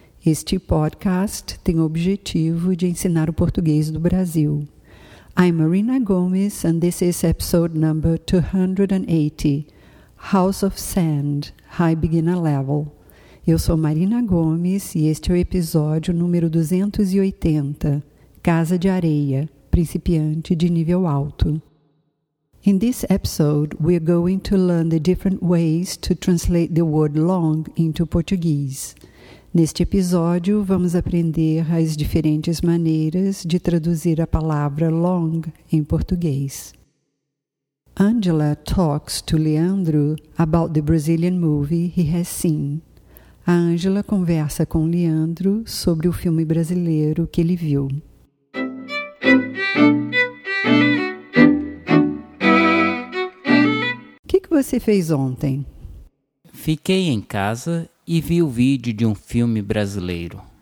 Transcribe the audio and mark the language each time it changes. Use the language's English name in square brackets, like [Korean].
[Portuguese] Este podcast tem o objetivo de ensinar o português do Brasil. [English] I'm Marina Gomes and this is episode number 280, House of Sand, High Beginner Level. [Portuguese] Eu sou Marina Gomes e este é o episódio número 280, Casa de Areia, Principiante de Nível Alto. [English] In this episode, we are going to learn the different ways to translate the word long into Portuguese. [Portuguese] Neste episódio, vamos aprender as diferentes maneiras de traduzir a palavra long em português. [English] Angela talks to Leandro about the Brazilian movie he has seen. [Portuguese] A Angela conversa com Leandro sobre o filme brasileiro que ele viu. O que você fez ontem? Fiquei em casa e vi o vídeo de um filme brasileiro.